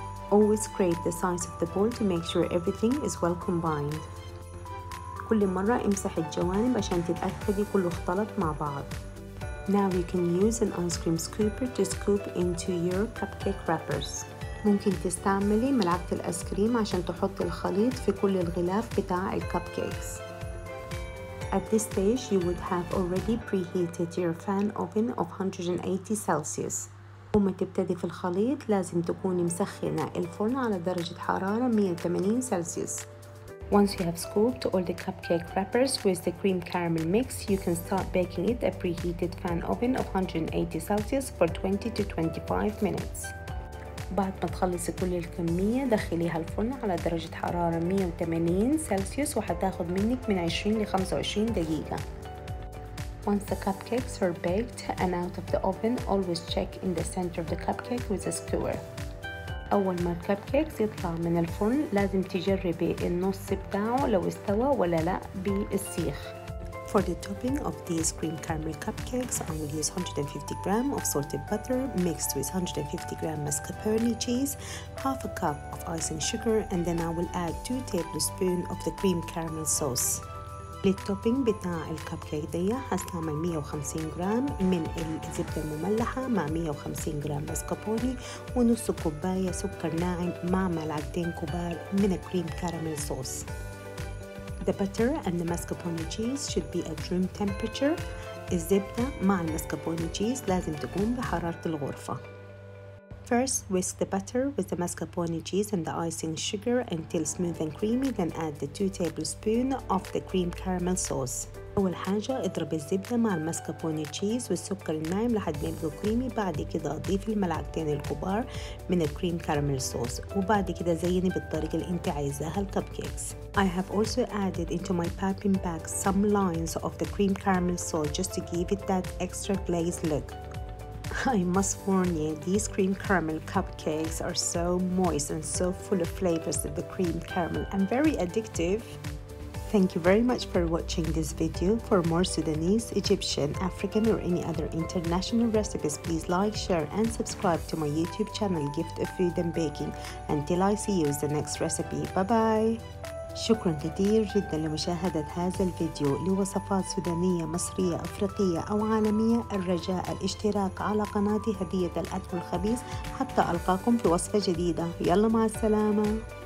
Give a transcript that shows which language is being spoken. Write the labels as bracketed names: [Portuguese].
[English] Always scrape the sides of the bowl to make sure everything is well combined. [Arabic] كل مرة امسح الجوانب عشان تتأكدي كله اختلط مع بعض. [English] Now you can use an ice cream scooper to scoop into your cupcake wrappers. [Arabic] ممكن تستعملي ملعقة الأيس كريم عشان تحطي الخليط في كل الغلاف بتاع الكبكيكس. [English] At this stage, you would have already preheated your fan oven of 180 Celsius. [Arabic] وما تبتدي في الخليط لازم تكون مسخنة الفرن على درجة حرارة 180 Celsius. [English] Once you have scooped all the cupcake wrappers with the cream caramel mix, you can start baking it at preheated fan oven of 180 Celsius for 20 to 25 minutes. [Arabic] بعد ما تخلصي كل الكمية دخليها الفرن على درجة حرارة 180 سلسيوس وحتاخد منك من 20 لخمسة وعشرين دقيقة. [English] Once the cupcakes are baked and out of the oven, always check in the center of the cupcake with a skewer. [Arabic] أول ما الكبكيكس يطلع من الفرن لازم تجربي النص بتاعه لو استوى ولا لا بالسيخ. [English] For the topping of these cream caramel cupcakes, I will use 150 gram of salted butter mixed with 150 gram mascarpone cheese, half a cup of icing sugar, and then I will add 2 tablespoons of the cream caramel sauce. [Arabic] للtopping بتاع الكبكيك دي هستعمل 150 جرام من الزبدة المملحة مع 150 جرام ماسكابوني ونص كوباية سكر ناعم مع ملعقتين كبار من الكريم كاراميل صوص. [English] The butter and the mascarpone cheese should be at room temperature. [Arabic] الزبدة مع المسكربوني تشيز لازم تكون بحرارة الغرفة. [English] First, whisk the butter with the mascarpone cheese and the icing sugar until smooth and creamy, then add the 2 tablespoons of the cream caramel sauce. [Arabic] أول حاجة اضرب الزبدة مع المسكربوني تشيز والسكر الناعم لحد ما يبقوا كريمي، بعد كده اضيف الملعقتين الكبار من الكريم كارميل صوص، وبعد كده زيني بالطريقة اللي انت عايزاها الكب كيكس. [English] I have also added into my piping bag some lines of the cream caramel sauce just to give it that extra glazed look. I must warn you, these cream caramel cupcakes are so moist and so full of flavors of the cream caramel and very addictive. Thank you very much for watching this video. For more Sudanese, Egyptian, African or any other international recipes, please like, share and subscribe to my YouTube channel Gift of Food and Baking. Until I see you with the next recipe, bye bye. [Arabic] شكرا كثير جدا لمشاهدة هذا الفيديو. لوصفات سودانية مصرية أفريقية أو عالمية، الرجاء الاشتراك على قناتي هدية الأكل الخبيث حتى ألقاكم في وصفة جديدة. يلا مع السلامة.